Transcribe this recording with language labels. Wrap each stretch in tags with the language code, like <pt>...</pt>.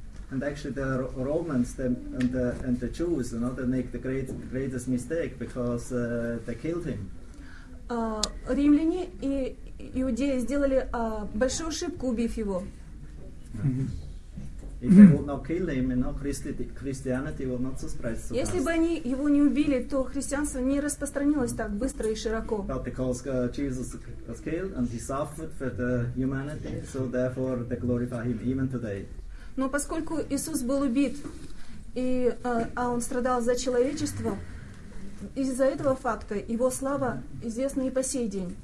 <en>And actually the Romans and the Jews, you know, they make the greatest mistake because they killed him.</en> <ru>Римляне и иудеи сделали большую ошибку, убив его.</ru> <en>If they would not kill him, you know, Christianity would not so spread so fast.</en> <ru>Если бы они его не убили, то христианство не распространилось так быстро и широко.</ru> <en>But because Jesus was killed and he suffered for the humanity, so therefore they glorify him even today.</en> <ru>Но поскольку Иисус был убит, а он страдал за человечество, из-за этого факта его слава известна и по сей день.</ru>